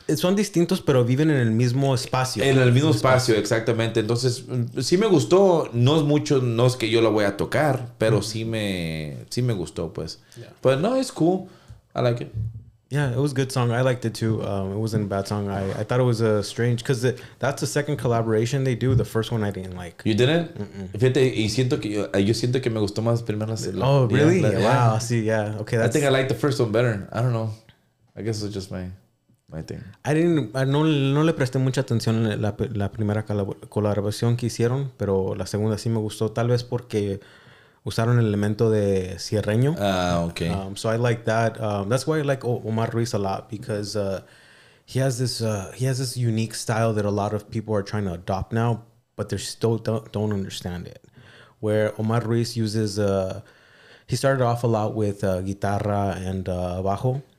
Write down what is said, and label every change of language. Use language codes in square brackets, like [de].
[es] son distintos, pero viven en el mismo espacio. En el mismo espacio, exactamente. Entonces, sí me gustó. No es mucho, no es que yo la voy a tocar, pero mm-hmm. sí me gustó, pues. [en] Pues yeah. No, it's cool. I like it. Yeah, it was a good song. I liked it too. It wasn't a bad song. I thought it was strange because that's the second collaboration they do. The first one I didn't like. You didn't? [es] Fíjate, y siento que yo siento que me gustó más primero la [en] segunda. Oh, really? Yeah. Wow. See, yeah. Okay, I think I liked the first one better. I don't know. I guess it's just my thing. [es] No le presté mucha atención la primera colaboración que hicieron, pero la segunda sí me gustó, tal vez porque usaron el elemento de sierreño. [en] Okay. So I like that. That's why I like Omar Ruiz a lot, because he has this unique style that a lot of people are trying to adopt now, but they still don't understand it. Where Omar Ruiz uses he started off a lot with guitarra and bajo.